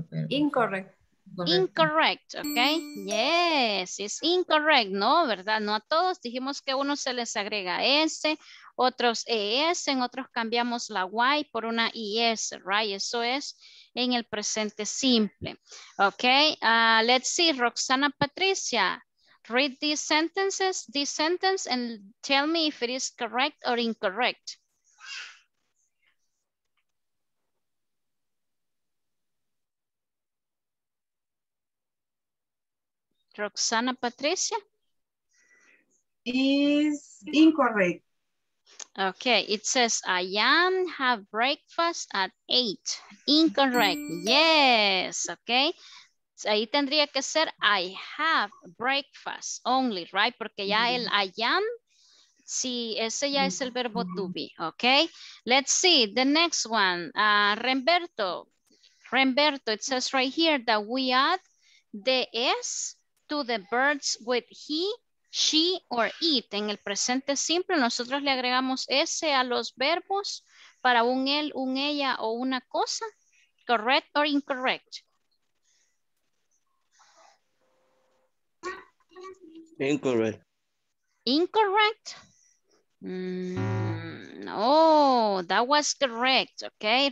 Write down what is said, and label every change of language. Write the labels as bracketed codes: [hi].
[en] Incorrect. Incorrect, okay. Yes, it's incorrect, no, [es] ¿verdad? No a todos. Dijimos que uno se les agrega S, otros ES, en otros cambiamos la Y por una IS, right? Eso es en el presente simple. [en] Okay, let's see, Roxana Patricia, read these sentences, this sentence, and tell me if it is correct or incorrect. Roxana Patricia? Is incorrect. Okay, it says, I am have breakfast at 8. Incorrect, yes, okay. So [es] ahí tendría que ser, [en] I have breakfast only, right? [es] Porque ya el I am, sí, ese ya es el verbo to be, okay? [en] Let's see, the next one, Renberto. Renberto, it says right here that we add the S to the birds with he, she, or it. [es] En el presente simple, nosotros le agregamos S a los verbos para un él, un ella, o una cosa. [en] Correct or incorrect? Incorrect. Incorrect? No, that was correct, okay?